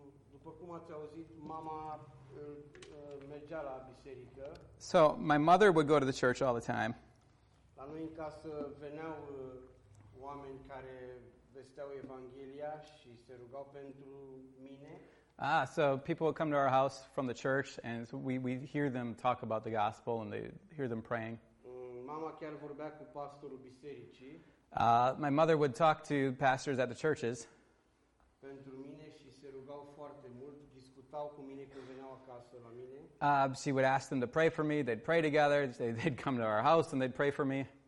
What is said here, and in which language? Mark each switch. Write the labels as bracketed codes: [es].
[ro] După cum ați auzit, mama mergea la biserică. [en] So, my mother would go to the church all the time. [ro] La noi în casă veneau oameni care vesteau Evanghelia și se rugau pentru mine. [en] So people would come to our house from the church and we hear them talk about the gospel and they hear them praying. [ro] Mama chiar vorbea cu pastorul bisericii. [en] My mother would talk to pastors at the churches. [ro] Pentru mine și se rugau foarte mult, discutau cu mine când veneau acasă la mine. [en] She would ask them to pray for me, they'd pray together, they'd come to our house and they'd pray for me.